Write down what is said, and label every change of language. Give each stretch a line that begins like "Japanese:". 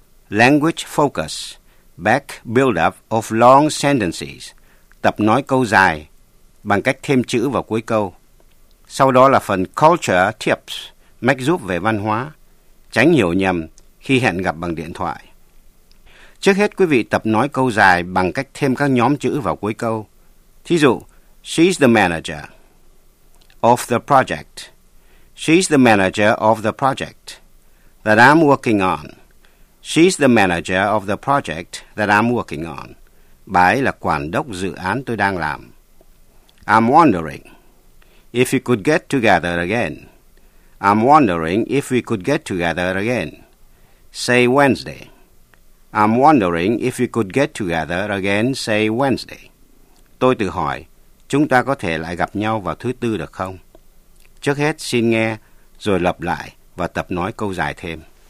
Vietnamese: Language Focus, Back Buildup of Long Sentences, tập nói câu dài bằng cách thêm chữ vào cuối câu. Sau đó là phần Culture Tips, mách giúp về văn hóa, tránh hiểu nhầm khi hẹn gặp bằng điện thoại. Trước hết, quý vị tập nói câu dài bằng cách thêm các nhóm chữ vào cuối câu.
English: Thí dụ, she's the manager of the project. She's the manager of the project that I'm working on. She's the manager of the project that I'm working on.
Vietnamese: Bà ấy là quản đốc dự án tôi đang làm.
English: I'm wondering if we could get together again. I'm wondering if we could get together again. Say Wednesday. I'm wondering if we could get together again, say Wednesday.
Vietnamese: Tôi tự hỏi, chúng ta có thể lại gặp nhau vào thứ tư được không? Trước hết xin nghe, rồi lặp lại và tập nói câu dài thêm.